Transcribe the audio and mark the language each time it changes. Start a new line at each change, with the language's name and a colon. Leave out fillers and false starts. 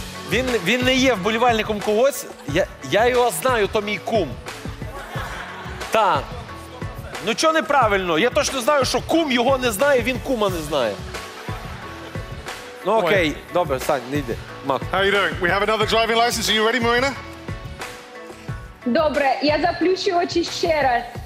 Ukrainian: Він не є вболівальником когось. Я його знаю, то мій кум. Та. Ну чого неправильно? Я точно знаю, що кум його не знає, він кума не знає. Ну окей. Ой. Добре, стань, не йди. Мах.
English: How are you doing? We have another driving license. Are you ready, Marina?
Ukrainian: Добре, я заплющу очі ще раз.